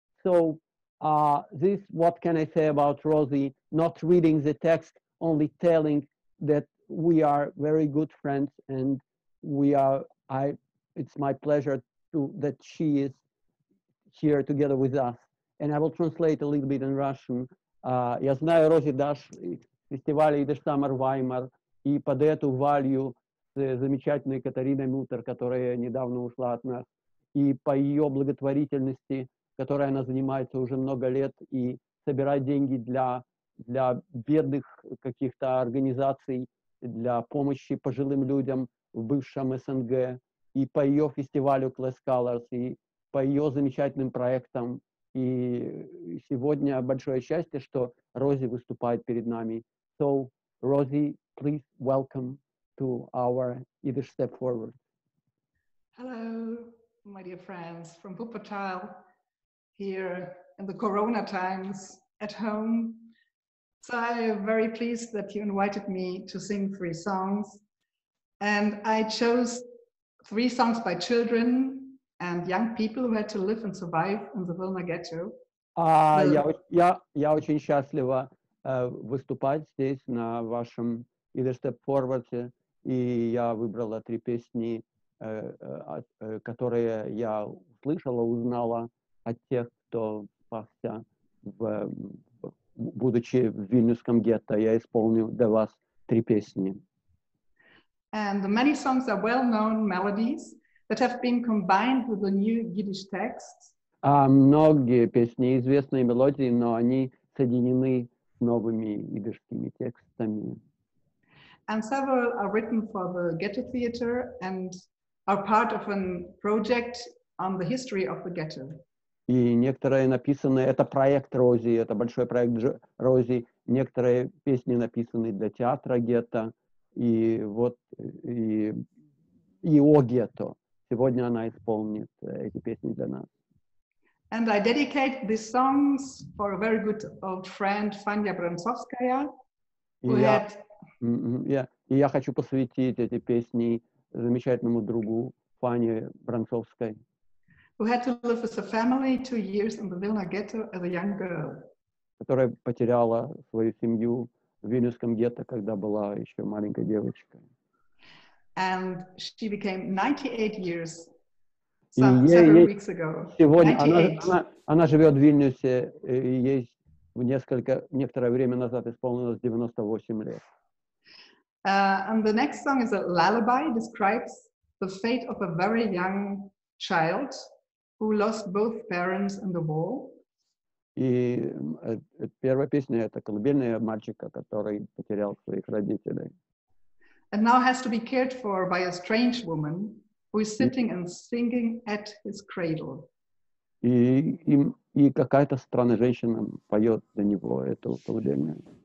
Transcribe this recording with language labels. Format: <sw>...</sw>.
<en>So, this, what can I say about Rosie? Not reading the text, only telling that we are very good friends, and it's my pleasure that she is here together with us. And I will translate a little bit in Russian.</en> <ru>Я знаю Рози Даш, фестиваль Идыш Самар Ваймар, и под эту валью с замечательной Катариной Мутер, которая недавно ушла от нас, и по ее благотворительности, которой она занимается уже много лет, и собирать деньги для бедных каких-то организаций, для помощи пожилым людям в бывшем СНГ, и по ее фестивалю Class Colors, и по ее замечательным проектам. И сегодня большое счастье, что Рози выступает перед нами.</ru> <en>So, Rosie, please welcome to our Yiddish Step Forward. Hello, my dear friends from Wuppertal, here in the Corona times at home. So I am very pleased that you invited me to sing three songs. And I chose three songs by children and young people who had to live and survive in the Vilna ghetto.</en> <ru>Я очень счастлива выступать здесь на вашем Yiddish Step Forward, и я выбрала три песни, которые я слышала, узнала от тех, кто пасся, будучи в Вильнюсском гетто. Я исполню для вас три песни.</ru> <en>And the many songs are well-known melodies that have been combined with the new Yiddish text.</en> <ru>Многие песни известные мелодии, но они соединены с новыми идишскими текстами.</ru> <en>And several are written for the ghetto theater and are part of a project on the history of the ghetto.</en> <ru>И некоторые написаны, это проект Рози, это большой проект Рози. Некоторые песни написаны для театра гетто и о гетто. Сегодня она исполнит эти песни для нас.</ru> <en>And I dedicate these songs for a very good old friend, Fania Bransovskaya, who had... Mm-hmm. Yeah,</en> <ru>И я хочу посвятить эти песни замечательному другу Фане Бранцовской.</ru> <en>Who had to live with a family 2 years in the Vilna ghetto as a young girl.</en> <ru>Которая потеряла свою семью в Вильнюсском гетто, когда была еще маленькой девочкой.</ru> <en>And she became 98 years several weeks ago.</en> <ru>Сегодня она живет в Вильнюсе, и ей некоторое время назад исполнилось 98 лет.</ru> <en>And the next song is a lullaby, describes the fate of a very young child who lost both parents in the war.</en> <ru>И первая песня — это колыбельная мальчика, который потерял своих родителей.</ru> <en>And now has to be cared for by a strange woman who is sitting and singing at his cradle.</en> <ru>И какая-то странная женщина поет за него эту колыбельную.</ru>